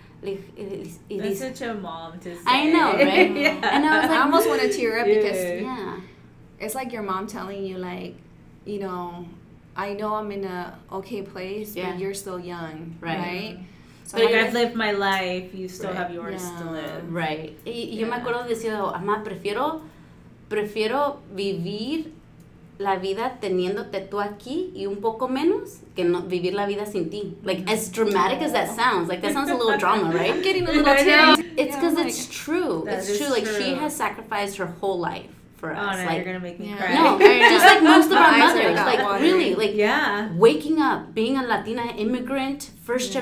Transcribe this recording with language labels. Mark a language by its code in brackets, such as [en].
[en] that's such a mom to say. I know, right? Yeah. And I was like, I almost want to tear up because it's like your mom telling you, like, you know, I know I'm in a okay place, yeah. but you're still young, right? Right? So like, I've lived my life, you still right. have yours yeah. to live. Right. [es] Y yo me acuerdo diciendo, mamá, prefiero vivir la vida teniéndote tú aquí y un poco menos que no, vivir la vida sin ti. [en] Like, as dramatic as that sounds, like, that sounds a little drama, right? I'm getting a little tense. It's because yeah, like, it's true. It's true. Like, she has sacrificed her whole life for us. Oh, no, like, you're going to make me yeah. cry. No, just like most of our mothers. Like, watery. Really, like, yeah. waking up, being a Latina immigrant, first yeah.